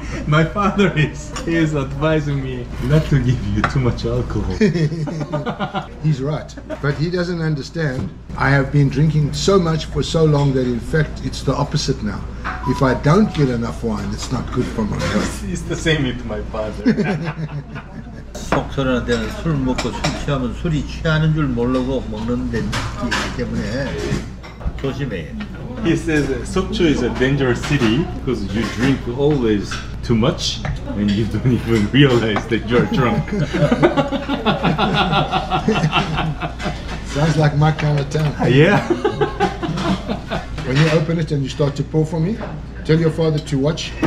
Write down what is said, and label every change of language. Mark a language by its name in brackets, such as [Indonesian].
[English] My father is advising me not to give you too much alcohol. He's right, but he doesn't understand. I have been drinking so much for so long that in fact it's the opposite now. If I don't get enough wine, it's not good for my health. It's the same with my father. [Korean] 속설한테 술 먹고 술 취하면 술이 취하는 줄 모르고 먹는 데 때문에 조심해. [English] He says Sokcho is a dangerous city because you drink always too much and you don't even realize that you're drunk. Sounds like my kind of town. Yeah. When you open it and you start to pour for me, tell your father to watch.